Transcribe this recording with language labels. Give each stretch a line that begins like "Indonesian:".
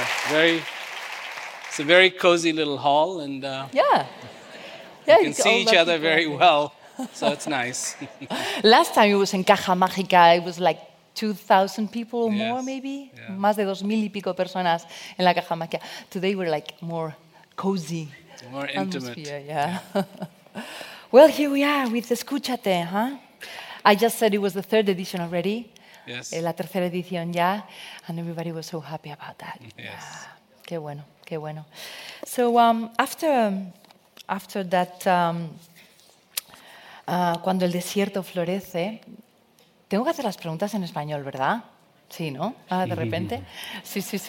English: Yeah, it's a very cozy little hall, and you can see each other very well, so it's nice. Last time it was in Caja Mágica, it was like 2,000 people or more, maybe? Yeah.
Spanish: Más de 2,000 y pico personas en la Caja Mágica.
English: Today we're like more cozy. More intimate. Yeah. Well, here we are with Escúchate, huh? I just said it was the third edition already. Yes.
Spanish: La tercera edición ya.
English: And everybody was so happy about that. Yes. Yeah.
Spanish: Qué bueno, qué bueno.
English: So after that,
Spanish: cuando el desierto florece, tengo que hacer las preguntas en español, ¿verdad? Sí, ¿no? Ah, de repente. Sí.